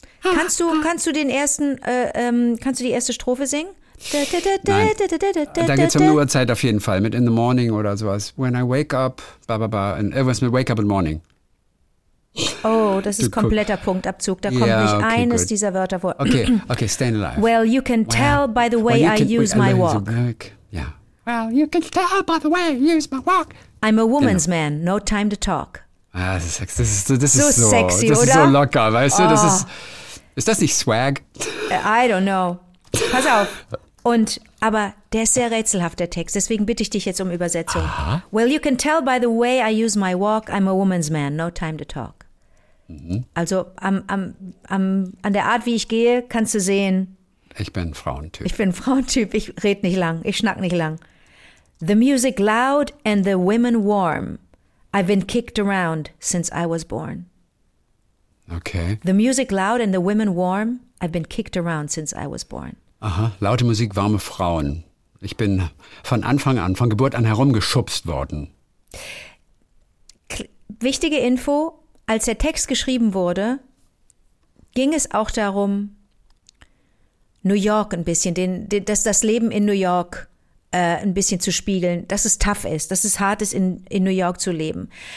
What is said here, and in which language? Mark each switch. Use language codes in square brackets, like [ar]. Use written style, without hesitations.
[de] Kannst du die erste Strophe singen? Nein. Dann geht es um die Uhrzeit auf jeden Fall, mit In the Morning oder sowas. [en] When I wake up, [de] irgendwas mit [en] Wake up in the Morning. [de] Oh, das ist kompletter Punktabzug. Da kommt nicht eines dieser Wörter vor. [en] Okay, Staying Alive. Well, you can tell by the way I use my walk. [de] Ja. [en] Well, you can tell by the way I use my walk. I'm a woman's man, no time to talk. [de] Ah, das ist so locker, weißt du? Oh. Ist das nicht Swag? [en] I don't know. [de] Pass auf. Aber der ist sehr rätselhaft, der Text. Deswegen bitte ich dich jetzt um Übersetzung. Aha. [en] Well, you can tell by the way I use my walk, I'm a woman's man, no time to talk. Mhm. [de] Also an der Art, wie ich gehe, kannst du sehen. Ich bin Frauentyp. Ich red nicht lang. Ich schnack nicht lang. [en] The music loud and the women warm. I've been kicked around since I was born. Okay. The music loud and the women warm. I've been kicked around since I was born. [de] Aha, laute Musik, warme Frauen. Ich bin von Anfang an, von Geburt an herumgeschubst worden. Wichtige Info, als der Text geschrieben wurde, ging es auch darum, New York ein bisschen, das Leben in New York ein bisschen zu spiegeln, dass es tough ist, dass es hart ist, in New York zu leben.